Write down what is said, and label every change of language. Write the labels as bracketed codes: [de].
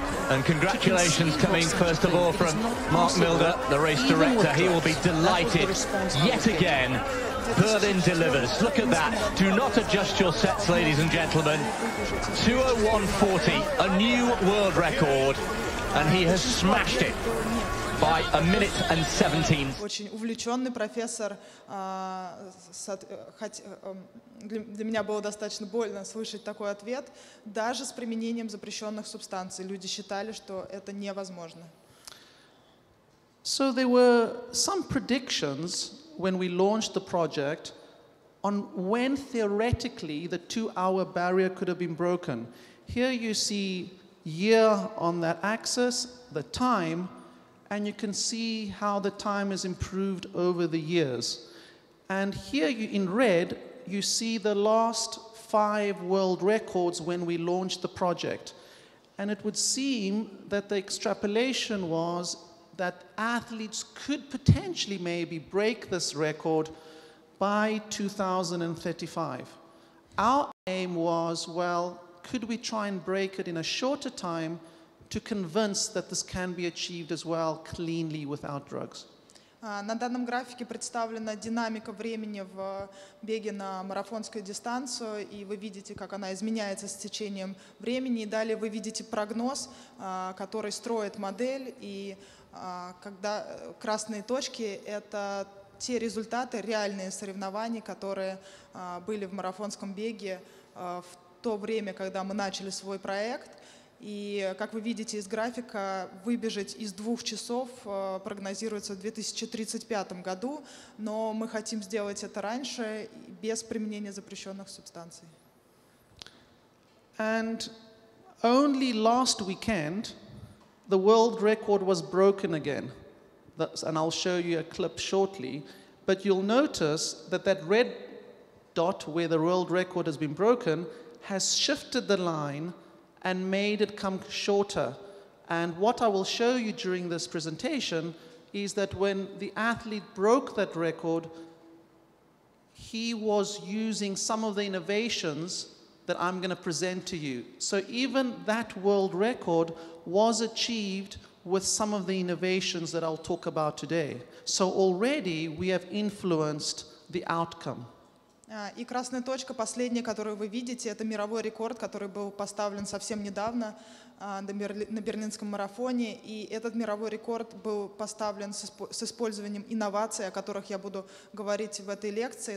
[en] And congratulations coming first of all from Mark Milder, the race director. He will be delighted yet again. Berlin delivers. Look at that. Do not adjust your sets, ladies and gentlemen. 201.40, a new world record. And he has smashed it. by a minute and 17. [ru] Очень увлеченный профессор. Для меня было достаточно больно слышать такой ответ. Даже с применением запрещенных субстанций люди считали, что это невозможно. [en] So there were some predictions when we launched the project on when theoretically the two-hour barrier could have been broken. Here you see year on that axis, the time, and you can see how the time has improved over the years. And here you, in red, you see the last five world records when we launched the project. And it would seem that the extrapolation was that athletes could potentially maybe break this record by 2035. Our aim was, well, could we try and break it in a shorter time to convince that this can be achieved as well cleanly without drugs? [ru] На данном графике представлена динамика времени в беге на марафонскую дистанцию, и вы видите, как она изменяется с течением времени. И далее вы видите прогноз, который строит модель, и когда красные точки — это те результаты, реальные соревнования, которые были в марафонском беге в то время, когда мы начали свой проект. И, как вы видите из графика, выбежать из двух часов прогнозируется в 2035 году, но мы хотим сделать это раньше, без применения запрещенных субстанций. [en] And only last weekend the world record was broken again. That's, and I'll show you a clip shortly. But you'll notice that that red dot where the world record has been broken has shifted the line and made it come shorter. And what I will show you during this presentation is that when the athlete broke that record, he was using some of the innovations that I'm going to present to you. So even that world record was achieved with some of the innovations that I'll talk about today. So already we have influenced the outcome. [ru] И красная точка, последняя, которую вы видите, это мировой рекорд, который был поставлен совсем недавно на Берлинском марафоне. И этот мировой рекорд был поставлен с использованием инноваций, о которых я буду говорить в этой лекции.